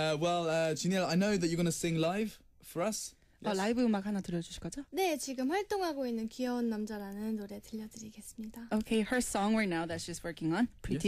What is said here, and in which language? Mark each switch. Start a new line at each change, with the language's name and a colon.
English: Well, Junior, I know that you're going to sing live for us. Yes.
Korean: 라이브 음악 하나 들려주실 거죠? 네, 지금 활동하고 있는 귀여운 남자라는 노래 들려드리겠습니다.
English: Okay, her song right now that she's working on, Pretty